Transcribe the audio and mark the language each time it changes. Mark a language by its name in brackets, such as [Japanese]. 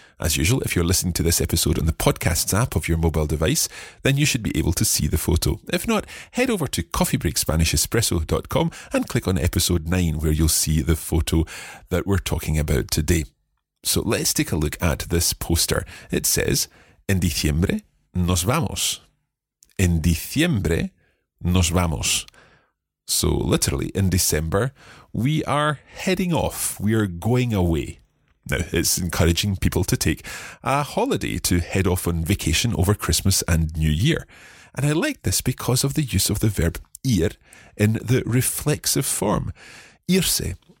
[English] As usual, if you're listening to this episode on the podcast's app of your mobile device, then you should be able to see the photo. If not, head over to coffeebreakspanishespresso.com and click on episode 9, where you'll see the photo that we're talking about today. So let's take a look at this poster. It says, [Spanish] "En diciembre nos vamos." En diciembre nos vamos. [English] So literally, in December, we are heading off. We are going away. Now, it's encouraging people to take a holiday to head off on vacation over Christmas and New Year. And I like this because of the use of the verb ir in the reflexive form, irse.